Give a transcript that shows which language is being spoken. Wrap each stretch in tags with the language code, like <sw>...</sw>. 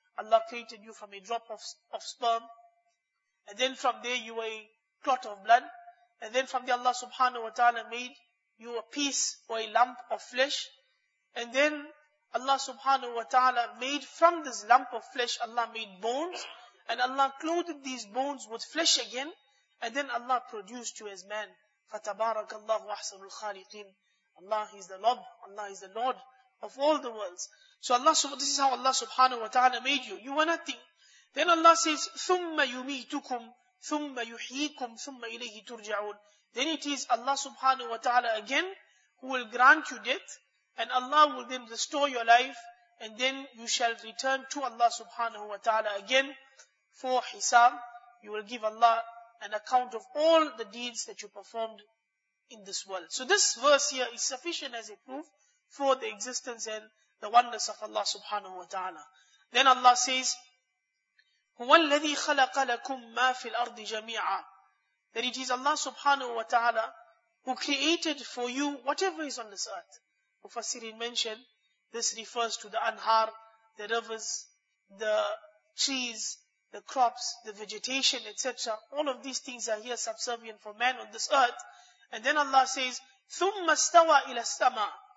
<en>Allah created you from a drop of sperm, and then from there you were a clot of blood, and then from there Allah subhanahu wa ta'ala made you a piece or a lump of flesh, and then Allah subhanahu wa ta'ala made from this lump of flesh, Allah made bones, and Allah clothed these bones with flesh again, and then Allah produced you as man.</en> <ar>فَتَبَارَكَ اللَّهُ أَحْسَنُ الْخَالِقِينَ.</ar> <en>Allah is the Lord, Allah is the Lord of all the worlds. So Allah, this is how Allah subhanahu wa ta'ala made you. You were nothing. Then Allah says,</en> <ar>ثُمَّ يُمِيتُكُمْ ثُمَّ يُحْيِيكُمْ ثُمَّ إِلَيْهِ تُرْجَعُونَ.</ar> <en>Then it is Allah subhanahu wa ta'ala again, who will grant you death, and Allah will then restore your life, and then you shall return to Allah subhanahu wa ta'ala again for hisab. You will give Allah an account of all the deeds that you performed in this world. So this verse here is sufficient as a proof for the existence and the oneness of Allah subhanahu wa ta'ala. Then Allah says,</en> <ar>هُوَ الَّذِي خَلَقَ لَكُمْ مَا فِي الْأَرْضِ جَمِيعًا.</ar> <en>That it is Allah subhanahu wa ta'ala who created for you whatever is on this earth. Mufassirin mentioned, this refers to the anhar, the rivers, the trees, the crops, the vegetation, etc. All of these things are here subservient for man on this earth. And then Allah says,</en> <ar>ثُمَّ اسْتَوَى إِلَى السَّمَاءِ.</ar>